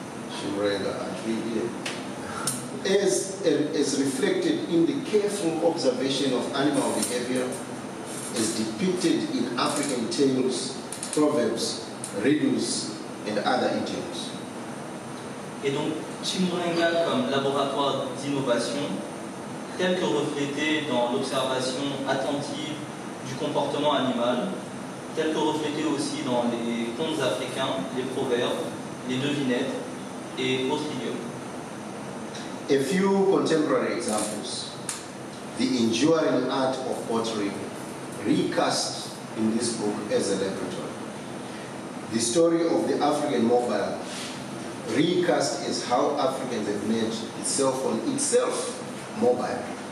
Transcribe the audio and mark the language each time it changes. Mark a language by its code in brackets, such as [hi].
[en] Chimurenga, actually, yeah. As reflected in the careful observation of animal behavior, as depicted in African tales, proverbs, riddles, and other idioms. [fr] Et donc, Chimurenga comme laboratoire d'innovation, tel que reflété dans l'observation attentive du comportement animal, tel que reflété aussi dans les contes africains, les proverbes, les devinettes et autres idiomes. [en] A few contemporary examples. The enduring art of pottery recast in this book as a laboratory. The story of the African mobile recast as how Africans have made its cell phone itself mobile.